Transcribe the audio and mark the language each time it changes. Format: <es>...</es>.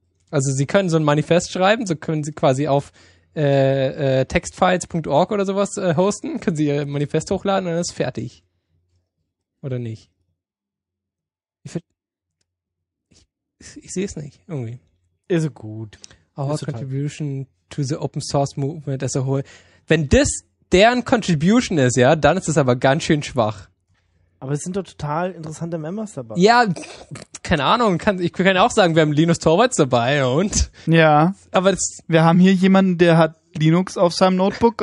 <de>Also sie können so ein Manifest schreiben, so können sie quasi auf textfiles.org oder sowas hosten, können sie ihr Manifest hochladen und dann ist fertig. Oder nicht? Ich sehe es nicht, irgendwie. Ist gut.</de> <en>Our contribution to the open source movement as a whole.</en> <de>Wenn das deren Contribution ist, ja, dann ist es aber ganz schön schwach. Aber es sind doch total interessante Members dabei. Ja, keine Ahnung. Ich kann auch sagen, wir haben Linus Torvalds dabei und. Ja. Aber wir haben hier jemanden, der hat Linux auf seinem Notebook.</de>